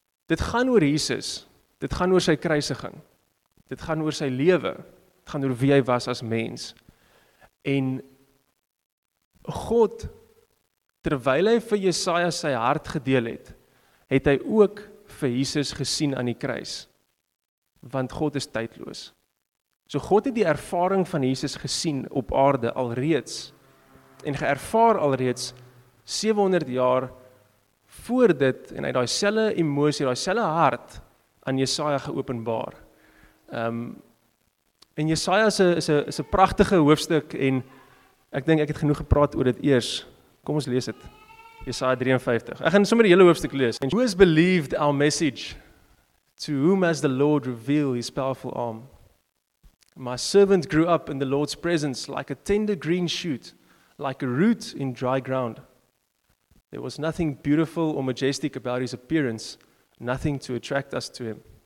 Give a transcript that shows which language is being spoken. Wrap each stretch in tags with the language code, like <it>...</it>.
<af>Dit gaan oor Jesus, dit gaan oor sy kruisiging, dit gaan oor sy lewe, dit gaan oor wie hy was as mens, en God, terwyl hy vir Jesaja sy hart gedeel het, het hy ook vir Jesus gesien aan die kruis, want God is tydloos. So God het die ervaring van Jesus gesien op aarde alreeds, en geervaar alreeds 700 jaar voor dit, en hy daai selfe emosie, daai selfe hart aan Jesaja geopenbaar. En Jesaja is 'n pragtige hoofstuk en ek dink ek het genoeg gepraat oor dit eers. Kom ons lees dit. Jesaja 53. Ek gaan sommer die hele hoofstuk lees.</af> <en>And who has believed our message? To whom has the Lord revealed his powerful arm? My servant grew up in the Lord's presence like a tender green shoot, like a root in dry ground. There was nothing beautiful or majestic about his appearance, nothing to attract us to him.</en>